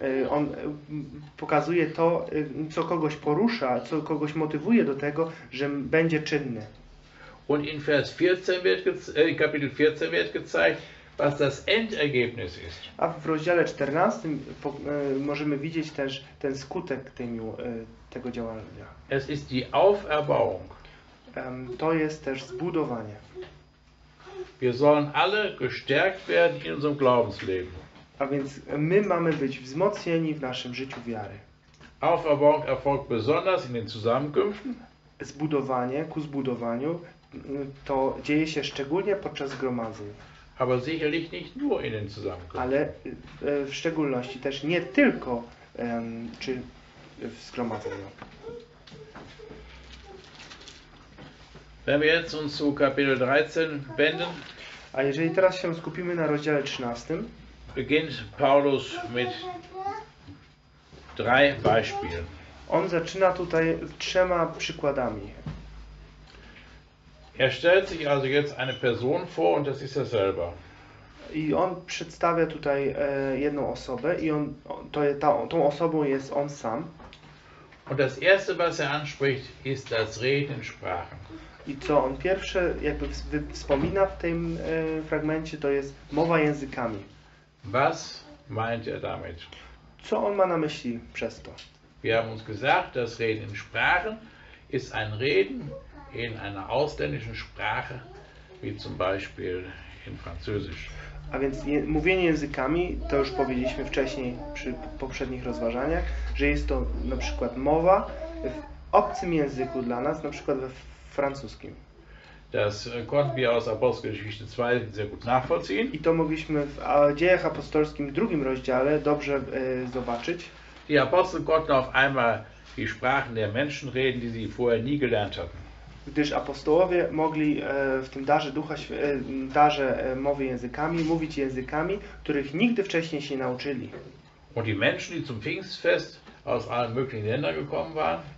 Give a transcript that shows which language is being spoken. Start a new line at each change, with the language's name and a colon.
Polish: On pokazuje to, co kogoś porusza, co kogoś motywuje do tego, że będzie czynny.
German: Und in Vers 14 wird Kapitel 14 wird gezeigt, was das Endergebnis ist.
Polish: A w rozdziale 14 możemy widzieć też ten skutek tego działania.
German: Es ist die Auferbauung.
Polish: To jest też zbudowanie.
German: Wir sollen alle gestärkt werden in unserem Glaubensleben.
Polish: A więc my mamy być wzmocnieni w naszym życiu wiary.
German: Auferbauung erfolgt besonders in den Zusammenkünften.
Polish: Zbudowanie ku zbudowaniu to dzieje się szczególnie podczas gromadzeń.
German: Aber sicherlich nicht nur in den Zusammenkünften.
Polish: Ale w szczególności też nie tylko czy w zgromadzeniu.
German: Wenn wir jetzt uns zu Kapitel 13 wenden.
Polish: A jeżeli teraz się skupimy na rozdziale 13.
German: Beginnt Paulus mit drei Beispielen.
Polish: On zaczyna tutaj trzema przykładami.
German: Er stellt sich also jetzt eine Person vor und das ist er selber.
Polish: I on przedstawia tutaj jedną osobę i on to jest tą osobą jest on sam.
German: Und das erste, was er anspricht, ist das Reden in Sprachen.
Polish: I co on pierwsze jakby wspomina w tym fragmencie, to jest mowa językami.
German: Was meint er damit?
Polish: Co on ma na myśli przez to?
German: Wir haben uns gesagt, das Reden in Sprachen ist ein Reden in einer ausländischen Sprache, wie zum Beispiel in Französisch.
Polish: A więc mówienie językami, to już powiedzieliśmy wcześniej przy poprzednich rozważaniach, że jest to na przykład mowa w obcym języku dla nas, na przykład we francuskim.
German: Das konnten wir aus Apostelgeschichte 2 sehr gut nachvollziehen.
Polish: I to mogliśmy w Dziejach Apostolskich w drugim rozdziale dobrze zobaczyć.
German: Die Apostel konnten auf einmal die Sprachen der Menschen reden, die sie vorher nie gelernt hatten.
Polish: Gdyż apostołowie mogli w tym darze ducha, darze mowy językami, mówić językami, których nigdy wcześniej się nauczyli.
German: Und die Menschen, die zum Pfingstfest aus allen möglichen Ländern gekommen waren.